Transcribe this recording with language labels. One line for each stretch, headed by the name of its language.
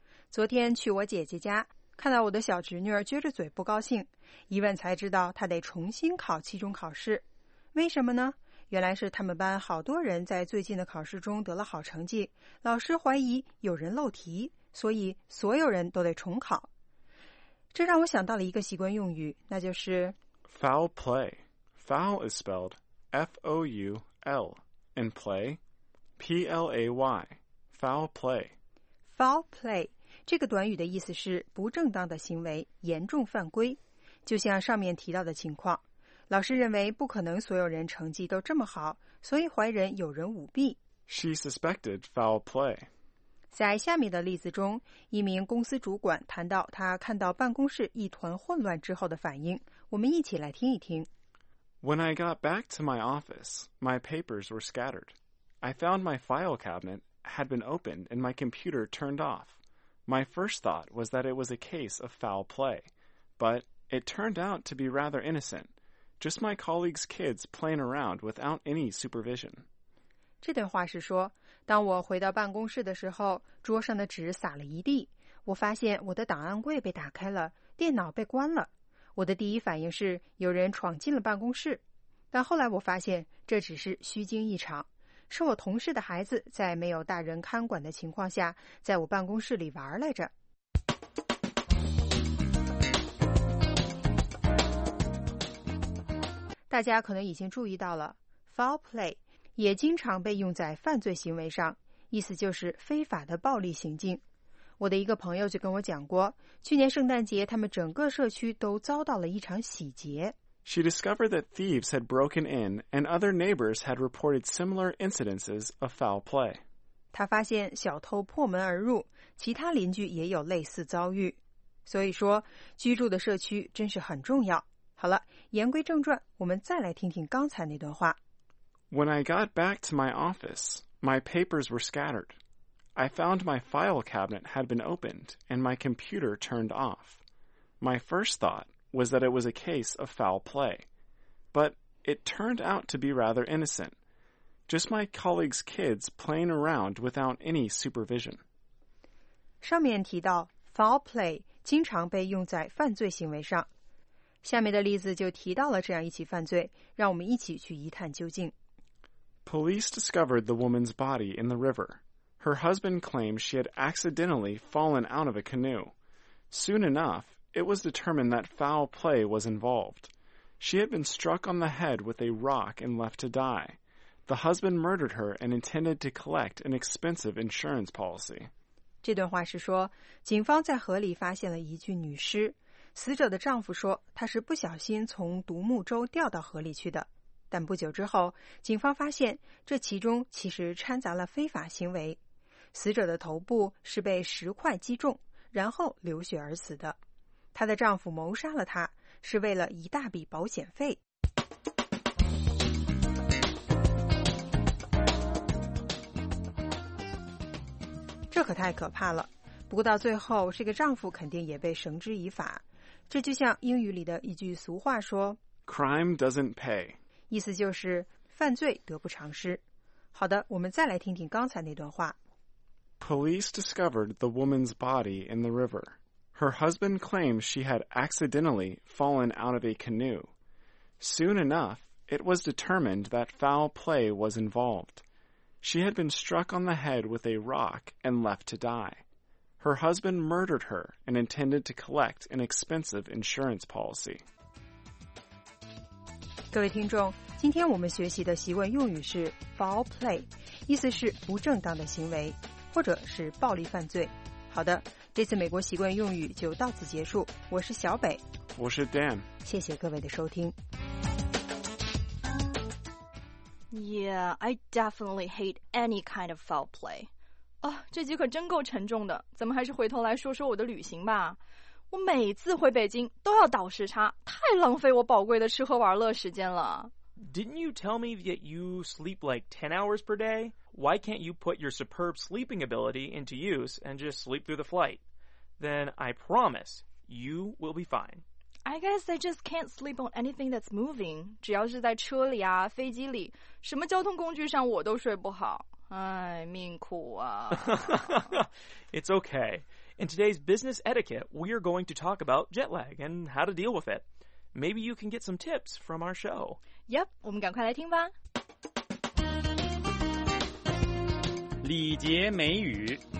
Chinese: 昨天去我姐姐家，看到我的小侄女儿撅着嘴不高兴，一问才知道她得重新考期中考试。为什么呢？原来是他们班好多人在最近的考试中得了好成绩，老师怀疑有人漏题，所以所有人都得重考。这让我想到了一个习惯用语，那就是
English: foul play。 foul is spelledFOUL and play, PLAY, foul play.
Chinese: Foul play 这个短语的意思是不正当的行为，严重犯规。就像上面提到的情况，老师认为不可能所有人成绩都这么好，所以怀人有人舞弊。
English: She suspected foul play.
Chinese: 在下面的例子中，一名公司主管谈到他看到办公室一团混乱之后的反应，我们一起来听一听。
English: When I got back to my office, my papers were scattered. I found my file cabinet had been opened and my computer turned off. My first thought was that it was a case of foul play, but it turned out to be rather innocent, just my colleagues' kids playing around without any supervision.
Chinese: 这段话是说，当我回到办公室的时候，桌上的纸撒了一地，我发现我的档案柜被打开了，电脑被关了。我的第一反应是有人闯进了办公室，但后来我发现这只是虚惊一场，是我同事的孩子在没有大人看管的情况下在我办公室里玩来着。大家可能已经注意到了， foul play 也经常被用在犯罪行为上，意思就是非法的暴力行径。我的一个朋友就跟我讲过，去年圣诞节他们整个社区都遭到了一场洗劫。
English: She discovered that thieves had broken in and other neighbors had reported similar incidences of foul play.
Chinese: 她发现小偷破门而入，其他邻居也有类似遭遇。所以说，居住的社区真是很重要。好了，言归正传，我们再来听听刚才那段话。
English: When I got back to my office, my papers were scattered. I found my file cabinet had been opened and my computer turned off. My first thought was that it was a case of foul play, but it turned out to be rather innocent. Just my colleague's kids playing around without any supervision.
Chinese: 上面提到 foul play 经常被用在犯罪行为上。下面的例子就提到了这样一起犯罪，让我们一起去一探究竟。
English: Police discovered the woman's body in the river. Her husband claimed she had accidentally fallen out of a canoe. Soon enough, it was determined that foul play was involved. She had been struck on the head with a rock and left to die. The husband murdered her and intended to collect an expensive insurance policy.
Chinese: 这段话是说，警方在河里发现了一具女尸。死者的丈夫说，他是不小心从独木舟掉到河里去的。但不久之后，警方发现这其中其实掺杂了非法行为。死者的头部是被石块击中，然后流血而死的。她的丈夫谋杀了她，是为了一大笔保险费。这可太可怕了。不过到最后，这个丈夫肯定也被绳之以法。这就像英语里的一句俗话说
English: Crime doesn't pay，
Chinese: 意思就是犯罪得不偿失。好的，我们再来听听刚才那段话。
English: Police discovered the woman's body in the river. Her husband claimed she had accidentally fallen out of a canoe. Soon enough, it was determined that foul play was involved. She had been struck on the head with a rock and left to die. Her husband murdered her and intended to collect an expensive insurance policy.
Chinese: 各位听众，今天我们学习的习惯用语是 foul play， 意思是不正当的行为，或者是暴力犯罪。好的，这次美国习惯用语就到此结束。我是小北，我是 Dan，谢谢各位的收听。
English: Yeah, I definitely hate any kind of foul play.
Chinese: 哦，这集可真够沉重的，咱们还是回头来说说我的旅行吧。我每次回北京都要倒时差，太浪费我宝贵的吃喝玩乐时间了。
English: Didn't you tell me that you sleep like 10 hours per day? Why can't you put your superb sleeping ability into use and just sleep through the flight? Then I promise you will be fine. I guess I just can't sleep on anything that's moving.
Chinese: 只要是在车里啊，飞机里，什么交通工具上我都睡不好。哎，命苦啊。
English: It's okay. In today's business etiquette, we are going to talk about jet lag and how to deal with it. Maybe you can get some tips from our show.
Chinese: Yep, 我们赶快来听吧。礼节美语。